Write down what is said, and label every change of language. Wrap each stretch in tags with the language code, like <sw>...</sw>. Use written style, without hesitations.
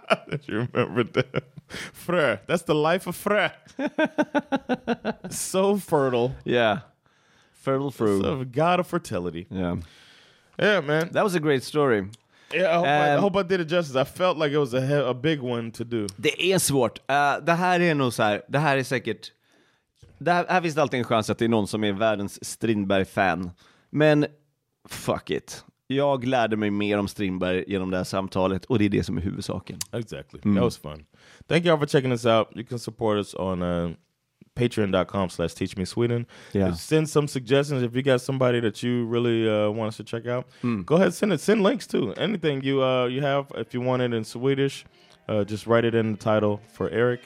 <en>Did you remember that? Frö. That's the life of Frö. So fertile. Yeah. Fertile fruit. So, god of fertility. Yeah. Yeah, man. That was a great story. Yeah, I hope I did it justice. I felt like it was a big one to do.</en> <sv>Det är svårt. Det här är nog så här. Det här är säkert... Det här finns alltid en chans att det är någon som är världens Strindberg-fan. Men fuck it. Jag lärde mig mer om Strindberg genom det här samtalet. Och det är det som är huvudsaken.</sv> <en>Exactly. Mm. That was fun. Thank you all for checking us out. You can support us on... Patreon.com/teachmesweden. Yeah. Send some suggestions if you got somebody that you really want us to check out. Mm. Go ahead, send it. Send links too. Anything you have, if you want it in Swedish, just write it in the title for Eric.</en>